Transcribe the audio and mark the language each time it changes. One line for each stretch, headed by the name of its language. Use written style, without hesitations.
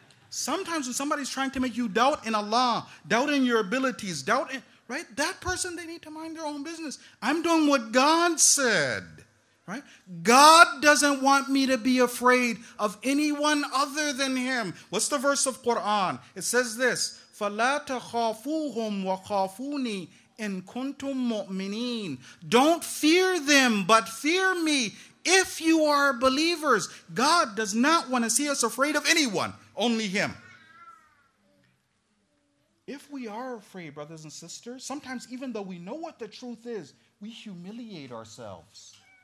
English: Sometimes when somebody's trying to make you doubt in Allah, doubt in your abilities, doubt in, right? That person, they need to mind their own business. I'm doing what God said, right? God doesn't want me to be afraid of anyone other than Him. What's the verse of Quran? It says this,
Arabic: فَلَا تَخَافُوهُمْ وَخَافُونِي إِن كُنْتُمْ مُؤْمِنِينَ.
English: Don't fear them, but fear me if you are believers. God does not want to see us afraid of anyone, only Him. If we are afraid, brothers and sisters, sometimes even though we know what the truth is, we humiliate ourselves.